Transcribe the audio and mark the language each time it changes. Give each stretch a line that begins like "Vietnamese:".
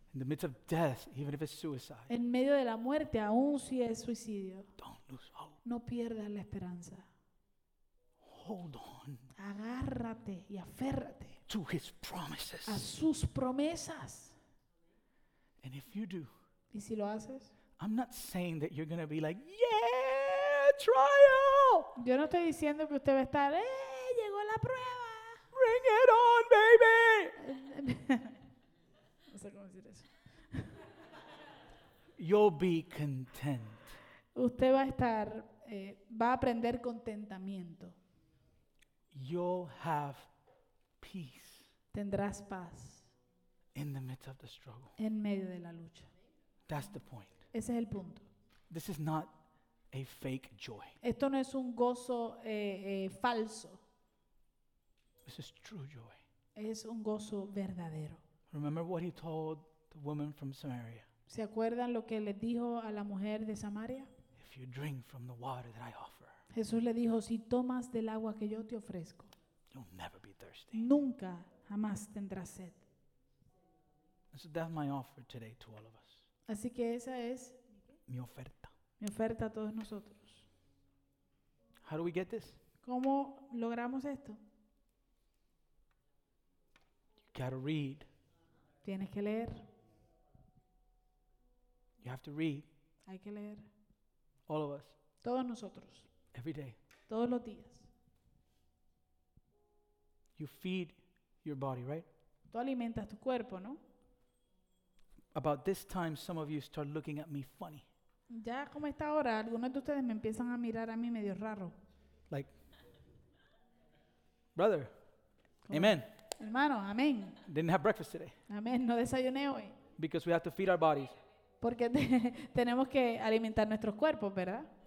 English: In the midst of death, even if it's suicide.
Spanish: En medio de la muerte, aun si es suicidio.
English: Don't lose hope.
Spanish: No pierdas la esperanza.
English: Hold on.
Spanish: Agárrate y aférrate.
English: To his promises.
Spanish: A sus promesas.
English: And if you do.
Spanish: Y si lo haces.
English: I'm not saying that you're going to be like, yeah, trial.
Spanish: Yo no estoy diciendo que usted va a estar, llegó la prueba.
English: Bring it on, baby. You'll be content.
Spanish: Usted va a estar, va a aprender contentamiento.
English: You'll have peace.
Spanish: Tendrás paz.
English: In the midst of the struggle.
Spanish: En medio de la lucha.
English: That's the point.
Spanish: Ese es el punto.
English: This is not a fake joy.
Spanish: Esto no es un gozo falso.
English: This is true joy.
Spanish: Es un gozo verdadero.
English: Remember what he told the woman from Samaria.
Spanish: ¿Se acuerdan lo que le dijo a la mujer de Samaria?
English: If you drink from the water that I offer,
Spanish: Jesús le dijo, si tomas del agua que yo te ofrezco,
English: you'll never be thirsty.
Spanish: Nunca jamás tendrás sed.
English: So that's my offer today to all of us.
Spanish: Así que esa es mi oferta. Mi oferta a todos nosotros. How do we get this? ¿Cómo logramos esto?
English: You gotta read.
Spanish: Tienes que leer.
English: You have to read.
Spanish: Hay que leer.
English: All of us.
Spanish: Todos nosotros.
English: Every day.
Spanish: Todos los días.
English: You feed your body, right?
Spanish: Tú alimentas tu cuerpo, ¿no?
English: About this time, some of you start looking at me funny.
Spanish: Ya como esta hora, algunos de ustedes me empiezan a mirar a mí medio raro.
English: Like, brother, amen.
Spanish: Hermano, amén.
English: Didn't have breakfast today.
Spanish: Amén, no desayuné hoy.
English: Because we have to feed our bodies.
Spanish: Porque tenemos que alimentar nuestros cuerpos, ¿verdad?